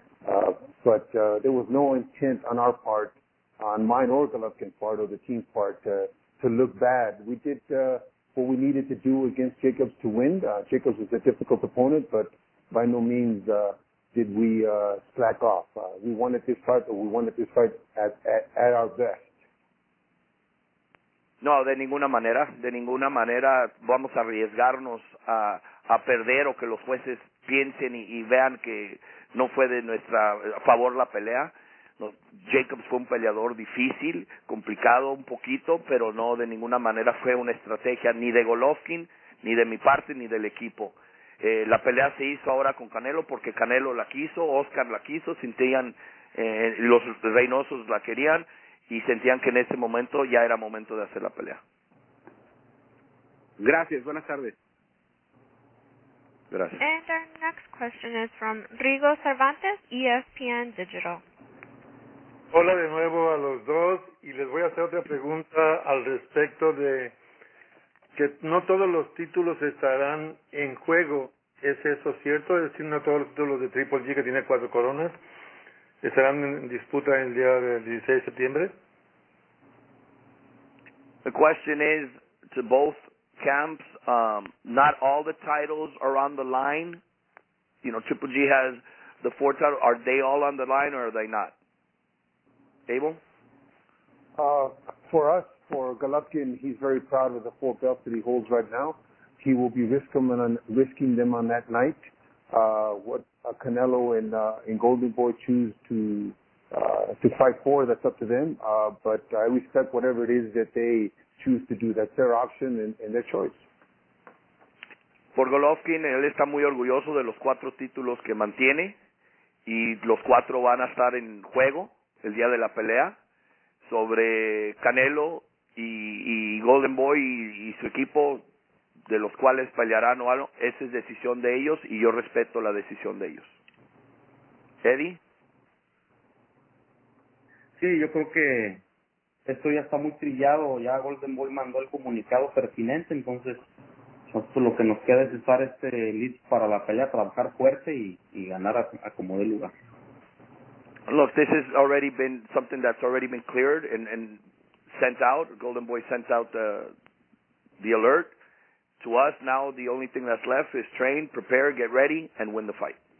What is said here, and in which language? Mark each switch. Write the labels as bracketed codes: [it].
[en] But there was no intent on our part, on mine or Golovkin's part or the team's part, to look bad. We did what we needed to do against Jacobs to win. Jacobs was a difficult opponent, but by no means did we slack off. We wanted this fight, but we wanted this fight at our best. [es] No, de ninguna manera, vamos a arriesgarnos a perder o que los jueces piensen y vean que no fue de nuestra favor la pelea. No, Jacobs fue un peleador difícil, complicado un poquito, pero no de ninguna manera fue una estrategia ni de Golovkin, ni de mi parte, ni del equipo. La pelea se hizo ahora con Canelo porque Canelo la quiso, Oscar la quiso, sentían los Reynosos la querían. Y sentían que en ese momento ya era momento de hacer la pelea. Gracias. Buenas tardes. Gracias. [en] And our next question is from Rigo Cervantes, ESPN Digital. [es] Hola de nuevo a los dos. Y les voy a hacer otra pregunta al respecto de que no todos los títulos estarán en juego. ¿Es eso cierto? Es decir, no todos los títulos de Triple G, que tiene cuatro coronas, ¿estarán en disputa el día del 16 de septiembre? [en] The question is to both camps. Not all the titles are on the line. You know, Triple G has the four titles. Are they all on the line or are they not? Abel? For us, for Golovkin, he's very proud of the four belts that he holds right now. He will be risking them on that night. Canelo and Golden Boy choose to fight for, that's up to them. But I respect whatever it is that they choose to do. That's their option and their choice. [es] Por Golovkin, él está muy orgulloso de los cuatro títulos que mantiene, y los cuatro van a estar en juego el día de la pelea. Sobre Canelo y Golden Boy y su equipo, de los cuales pelearán o algo, esa es decisión de ellos y yo respeto la decisión de ellos. Eddie. Sí, yo creo que esto ya está muy trillado, ya Golden Boy mandó el comunicado pertinente, entonces nosotros lo que nos queda es estar listo para la pelea, trabajar fuerte y ganar a como dé lugar. [en] Look, this has already been something that's already been cleared and sent out. Golden Boy sent out the alert. To us, now the only thing that's left is train, prepare, get ready, and win the fight.